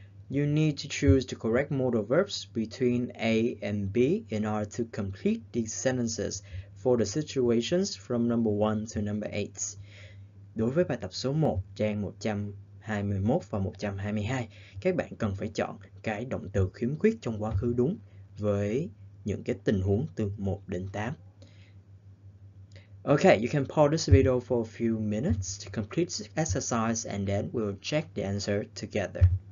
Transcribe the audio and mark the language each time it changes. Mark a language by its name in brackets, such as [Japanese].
[English] You need to choose the correct modal verbs between A and B in order to complete these sentences for the situations from number 1 to number 8. [Vietnamese] Đối với bài tập số 1, trang 121 và 122, các bạn cần phải chọn cái động từ khiếm khuyết trong quá khứ đúng với những cái tình huống từ 1 đến 8. [English] Okay, you can pause this video for a few minutes to complete the exercise and then we'll check the answer together.